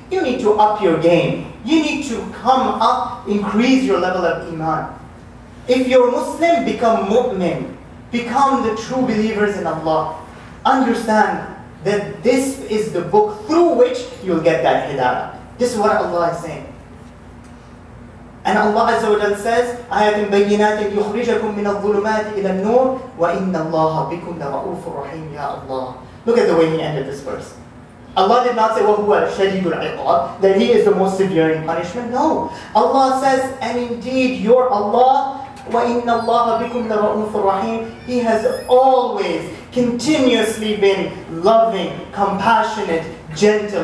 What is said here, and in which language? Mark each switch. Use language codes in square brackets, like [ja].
[en] You need to up your game. You need to come up, increase your level of iman. If you're Muslim, become mu'min. Become the true believers in Allah. Understand that this is the book through which you'll get that hidayah. This is what Allah is saying. And Allah Azza wa Jalla says, [ar] آيَاتٍ بَيِّنَاتٍ يُخْرِجَكُمْ مِنَ الظُّلُمَاتِ إِلَى النُّورِ وَإِنَّ اللَّهَ بِكُمْ لَرَؤُوفٌ رَحِيمٌ. Ya Allah. [en] Look at the way He ended this verse. Allah did not say, [ar] وَهُوَ شَدِيدُ الْعِقَابِ, [en] that He is the most severe in punishment. No. Allah says, and indeed, your Allah, [ar] وَإِنَّ اللَّهَ بِكُمْ لَرَؤُوفٌ رَحِيمٌ, [en] He has always, continuously been loving, compassionate, gentle.